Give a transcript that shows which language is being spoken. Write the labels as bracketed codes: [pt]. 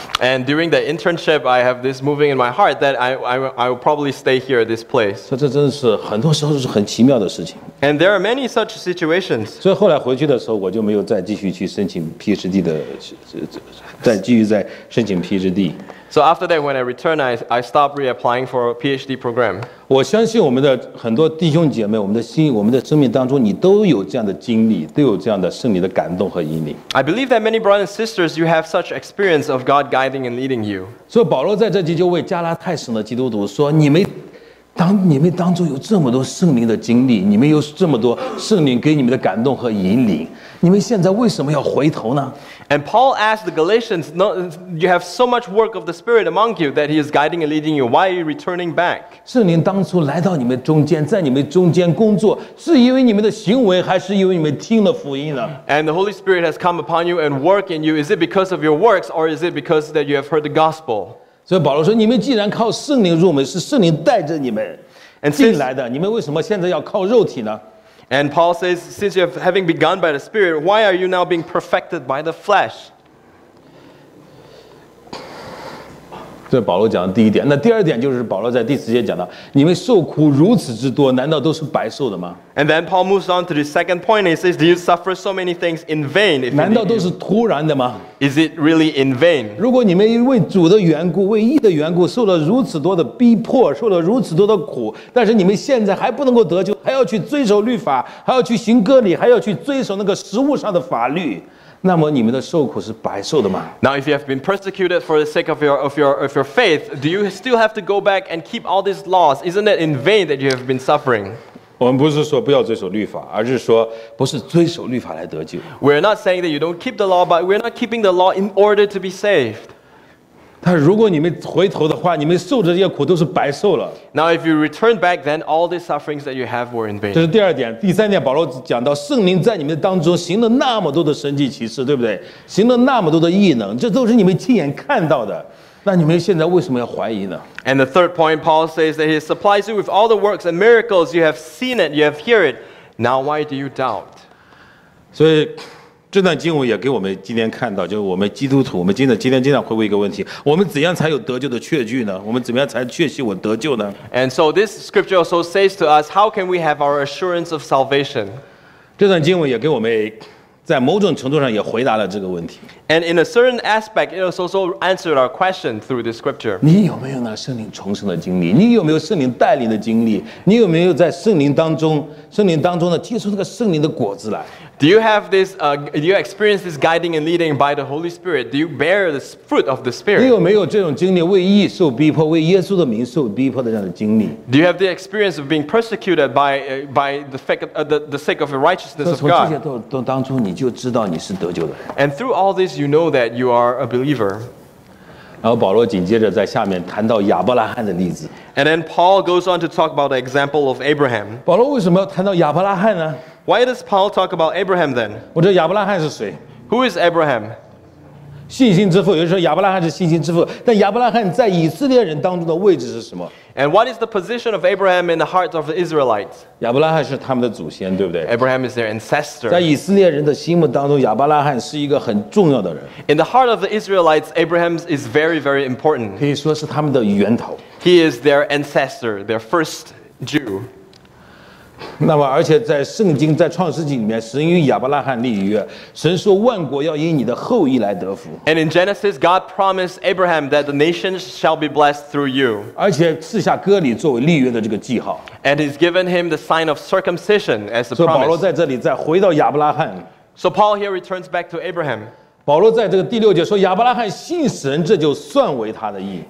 [en] And during the internship, I have this moving in my heart that I will probably stay here at this place. [zh] 这真是很多时候是很奇妙的事情。 [en] And there are many such situations. [zh] 所以后来回去的时候，我就没有再继续去申请 PhD 的，再继续再申请 PhD。 [en] So after that, when I returned, I stopped reapplying for a PhD program. [zh] 我相信我们的很多弟兄姐妹，我们的心，我们的生命当中，你都有这样的经历，都有这样的圣灵的感动和引领。 [en] I believe that many brothers and sisters, you have such experience of God guiding and leading you. [zh] 所以保罗在这里就为加拉太省的基督徒说，你们当中有这么多圣灵的经历，你们有这么多圣灵给你们的感动和引领，你们现在为什么要回头呢？ [en] And Paul asked the Galatians, no, you have so much work of the Spirit among you that he is guiding and leading you. Why are you returning back? [zh] 圣灵当初来到你们中间，在你们中间工作，是因为你们的行为，还是因为你们听了福音呢？ [en] And the Holy Spirit has come upon you and work in you. Is it because of your works, or is it because that you have heard the gospel? [zh] 所以保罗说，你们既然靠圣灵入门，是圣灵带着你们进来的，你们为什么现在要靠肉体呢？ [en] And Paul says, since you have having begun by the Spirit, why are you now being perfected by the flesh? [zh] 这是保罗讲的第一点。那第二点就是保罗在第四节讲的，你们受苦如此之多，难道都是白受的吗？ [en] And then Paul moves on to the second point. He says, do you suffer so many things in vain? [zh] 难道都是突然的吗？ [en] Is it really in vain? [zh] 如果你们为主的缘故，为义的缘故，受了如此多的逼迫，受了如此多的苦，但是你们现在还不能够得救，还要去遵守律法，还要去行割礼，还要去遵守那个食物上的法律，那么你们的受苦是白受的吗？ [en] Now, if you have been persecuted for the sake of your faith, do you still have to go back and keep all these laws? Isn't it in vain that you have been suffering? [zh] 我们不是说不要遵守律法，而是说不是遵守律法来得救。 [en] We're not saying that you don't keep the law, but we're not keeping the law in order to be saved. [zh] 但如果你们回头的话，你们受的这些苦都是白受了。 [en] Now, if you return back, then all the sufferings that you have were in vain. [zh] 这是第二点。第三点，保罗讲到圣灵在你们当中行了那么多的神迹奇事，对不对？行了那么多的异能，这都是你们亲眼看到的。那你们现在为什么要怀疑呢？ [en] And the third point, Paul says that he supplies you with all the works and miracles. You have seen it, you have heard it. Now, why do you doubt? [zh] 所以这段经文也给我们今天看到，就是我们基督徒，我们今天会问一个问题：我们怎样才有得救的确据呢？我们怎么样才确信我得救呢？ [en] And so this scripture also says to us, how can we have our assurance of salvation? [zh] 这段经文也给我们在某种程度上也回答了这个问题。 [en] And in a certain aspect, it also answered our question through the scripture. [zh] 你有没有那圣灵重生的经历？你有没有圣灵带领的经历？你有没有在圣灵当中呢，结出那个圣灵的果子来？ [en] Do you have this? Do you experience this guiding and leading by the Holy Spirit? Do you bear the fruit of the Spirit? [zh] 你有没有这种经历，为义受逼迫，为耶稣的名受逼迫的这样的经历？ [en] Do you have the experience of being persecuted by the sake of the righteousness of God? [zh] 从这些都当中，你就知道你是得救的。 [en] And through all this, you know that you are a believer. [zh] 然后保罗紧接着在下面谈到亚伯拉罕的例子。 [en] And then Paul goes on to talk about the example of Abraham. [zh] 保罗为什么要谈到亚伯拉罕呢？ [en] Why does Paul talk about Abraham then? [zh] 我知道亚伯拉罕是谁。 [en] Who is Abraham? [zh] 信心之父，有人说亚伯拉罕是信心之父，但亚伯拉罕在以色列人当中的位置是什么？ [en] And what is the position of Abraham in the heart of the Israelites? [zh] 亚伯拉罕是他们的祖先，对不对？ [en] Abraham is their ancestor. [zh] 在以色列人的心目当中，亚伯拉罕是一个很重要的人。 [en] In the heart of the Israelites, Abraham is very, very important. [zh] 可以说是他们的源头。 [en] He is their ancestor, their first Jew. [zh] 那么，而且在圣经，在创世纪里面，神与亚伯拉罕立约，神说万国要因你的后裔来得福。 [en] And in Genesis, God promised Abraham that the nations shall be blessed through you. [zh] 而且赐下割礼作为立约的这个记号。 [en] And he's given him the sign of circumcision as the promise. [zh] 所以保罗在这里再回到亚伯拉罕。 [en] So Paul here returns back to Abraham. [zh] 保罗在这个第六节说，亚伯拉罕信神，这就算为他的义。